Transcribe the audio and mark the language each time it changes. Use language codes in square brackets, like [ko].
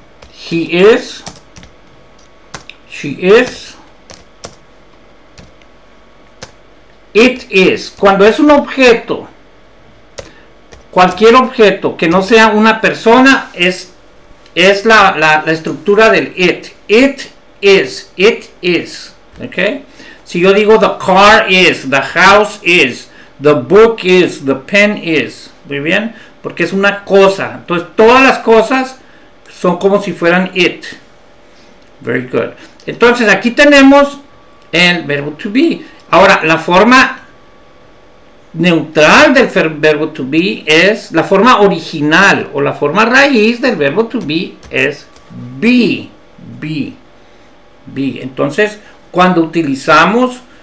[en] He is. She is. It is. [es] Cuando es un objeto, cualquier objeto que no sea una persona, es la estructura del it. [en] It is. It is. Ok. [es] Si yo digo [en] the car is, the house is, the book is, the pen is. [es] Muy bien. Porque es una cosa. Entonces todas las cosas son como si fueran it. [en] Very good. [es] Entonces aquí tenemos el verbo to be. Ahora la forma neutral del verbo to be es la forma original o la forma raíz del verbo to be es be. Entonces, cuando utilizamos